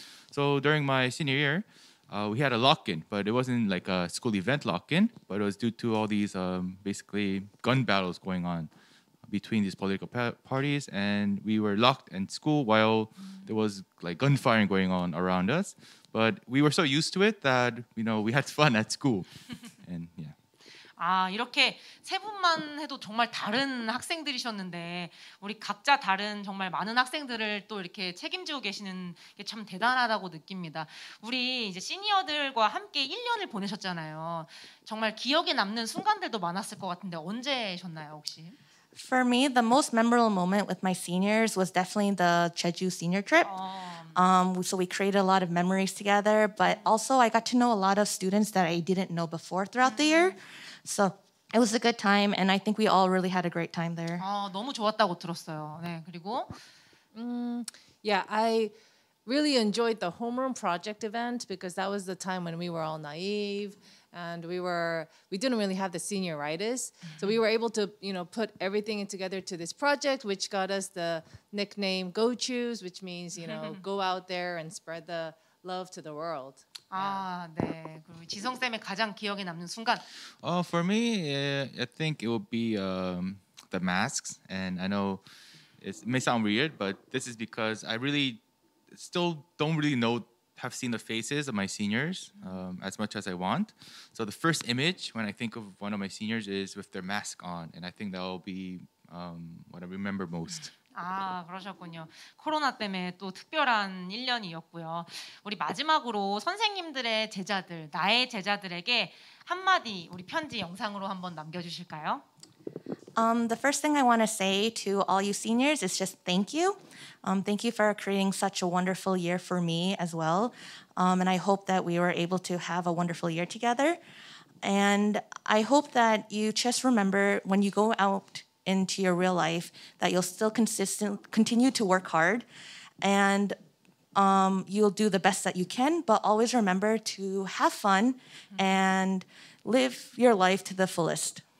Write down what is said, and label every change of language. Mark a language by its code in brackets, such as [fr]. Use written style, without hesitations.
[en] So during my senior year, we had a lock-in, but it wasn't like a school event lock-in, but it was due to all these basically gun battles going on between these political parties, and we were locked in school while there was like gunfire going on around us. But we were so used to it that, you know, we had fun at school. And yeah. [ko] 아, 이렇게 세 분만 해도 정말 다른 학생들이셨는데 우리 각자 다른 정말 많은 학생들을 또 이렇게 책임지고 계시는 게 참 대단하다고 느낍니다. 우리 이제 시니어들과 함께 1년을 보내셨잖아요. 정말 기억에 남는 순간들도 많았을 것 같은데 언제셨나요, 혹시? [en] For me, the most memorable moment with my seniors was definitely the Jeju senior trip. So we created a lot of memories together, but also I got to know a lot of students that I didn't know before throughout the year. So it was a good time, and I think we all really had a great time there. [ko] 아, 너무 좋았다고 들었어요. 네, 그리고 [en] I really enjoyed the homeroom project event because that was the time when we were all naive. And we didn't really have the senioritis. So we were able to, you know, put everything together to this project, which got us the nickname Go-Choose, which means, you know, go out there and spread the love to the world. [ko] Yeah. 아, 네. 그리고 지성쌤의 가장 기억에 남는 순간. [en] For me, I think it would be the masks. And I know it may sound weird, but this is because I really still don't really know have seen the faces of my seniors as much as I want. So the first image when I think of one of my seniors is with their mask on, and I think that'll be what I remember most. [ko] 아, 그러셨군요. 코로나 때문에 또 특별한 1년이었고요. 우리 마지막으로 선생님들의 제자들, 나의 제자들에게 한마디 우리 편지 영상으로 한번 남겨주실까요? [en] The first thing I want to say to all you seniors is just thank you. Thank you for creating such a wonderful year for me as well. And I hope that we were able to have a wonderful year together. And I hope that you just remember when you go out into your real life that you'll still continue to work hard and you'll do the best that you can, but always remember to have fun and live your life to the fullest.